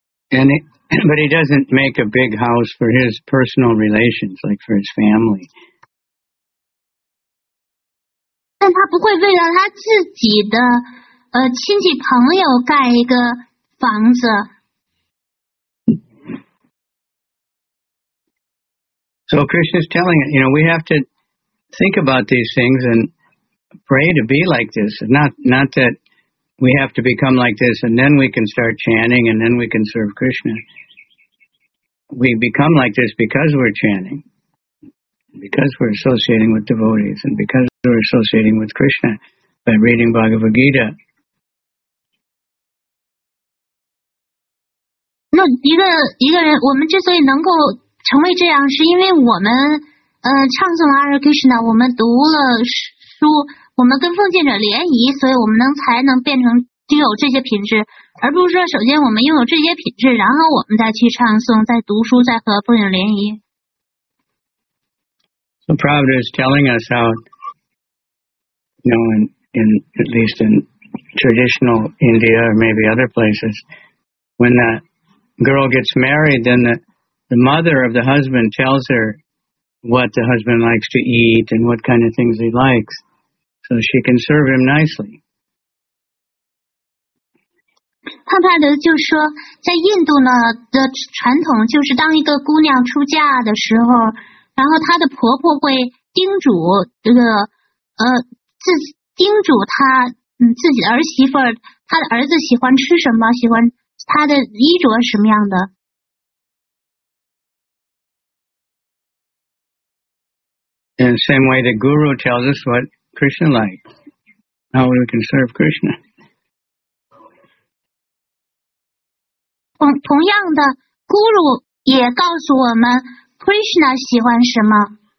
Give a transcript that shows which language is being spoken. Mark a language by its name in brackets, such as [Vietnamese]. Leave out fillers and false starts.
[English] But he doesn't make a big house for his personal relations, like for his family. [Chinese] 但他不会为了他自己的亲戚朋友盖一个房子。 [English] So Krishna's telling it, you know, we have to think about these things and pray to be like this, not that... We have to become like this, and then we can start chanting, and then we can serve Krishna. We become like this because we're chanting, because we're associating with devotees, and because we're associating with Krishna by reading Bhagavad Gita. [Chinese] 那一个人，我们之所以能够成为这样，是因为我们唱诵了 Hare Krishna, 我们读了书。我们跟奉献者联谊，所以我们才能变成拥有这些品质，而不是说首先我们拥有这些品质，然后我们再去唱诵、再读书、再和奉献者联谊。 [English] The Prabhupada is telling us how, you know, in at least in traditional India or maybe other places, when that girl gets married, then the mother of the husband tells her what the husband likes to eat and what kind of things he likes, so she can serve him nicely. [Chinese] 帕帕德就说，在印度呢的传统就是，当一个姑娘出嫁的时候，然后她的婆婆会叮嘱这个自己的儿媳妇，她的儿子喜欢吃什么，喜欢她的衣着什么样的。 [English] In the same way, the guru tells us what Krishna likes, how we can serve Krishna. [Chinese] 同样的 ,guru 也告诉我们 Krishna 喜欢什么。